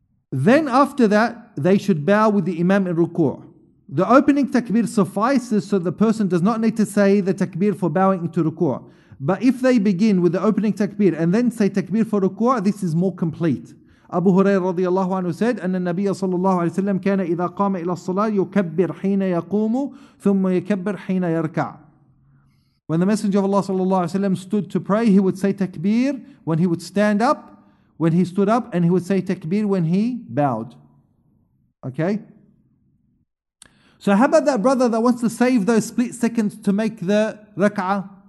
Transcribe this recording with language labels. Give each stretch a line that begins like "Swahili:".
English: Then after that, they should bow with the imam in ruku'. The opening takbir suffices, so the person does not need to say the takbir for bowing into ruku'. But if they begin with the opening takbir and then say takbir for ruku', this is more complete. Abu Hurairah radiallahu anhu said,
Arabic: أن النبي صلى الله عليه وسلم كان إذا قام إلى الصلاة يكبر حين يقوم ثم يكبر حين يركع.
English: When the Messenger of Allah صلى الله عليه وسلم stood to pray, he would say takbir when he would stand up, when he stood up, and he would say takbir when he bowed. Okay? So how about that brother that wants to save those split seconds to make the rak'ah?